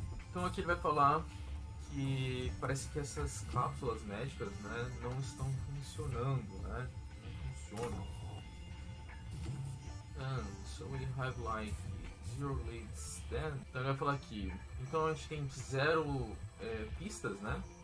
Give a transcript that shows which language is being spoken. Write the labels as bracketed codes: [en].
[pt] Então aqui ele vai falar que parece que essas cápsulas médicas, né, não estão funcionando, né? Não funcionam. [en] And so we have like zero leads then. [pt] Então ele vai falar aqui. Então a gente tem zero pistas, né?